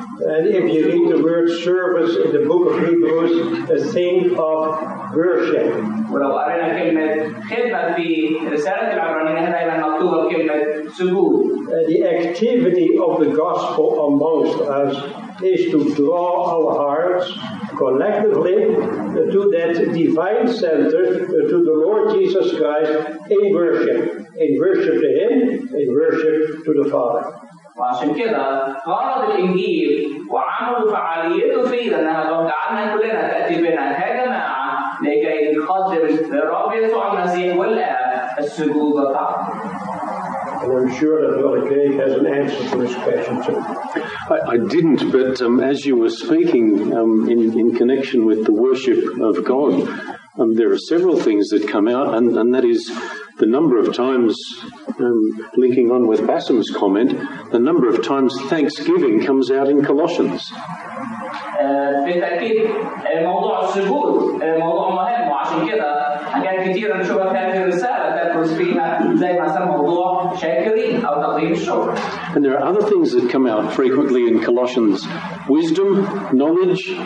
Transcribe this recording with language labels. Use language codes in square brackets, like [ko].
[en] And if you read the word service in the book of Hebrews, think of worship. [ar] ولو قرينا كلمة خدمة في رسالة العبرانيين هنا أيضا مكتوبة كلمة سجود. [en] The activity of the gospel amongst us is to draw our hearts collectively to that divine center, to the Lord Jesus Christ in worship. In worship to Him, in worship to the Father. [ar] وعشان كده غرض الإنجيل وعمل فعاليته فيه أنها لو جعلنا كلنا تأتي بنا كجماعة لكي نقدم للرب يسوع المسيح والآب السجود والطاعة. [en] And I'm sure that Brother Craig has an answer to this question too. I didn't, but as you were speaking in connection with the worship of God, there are several things that come out, and that is the number of times, linking on with Bassam's comment, the number of times thanksgiving comes out in Colossians. [ar] بالتأكيد موضوع السجود موضوع مهم، وعشان كده حاجات كتيرة نشوفها في هذه الرسالة تدرس فيها زي مثلا موضوع شاكرين أو تقديم الشكر. [en] And there are other things that come out frequently in Colossians: wisdom, knowledge,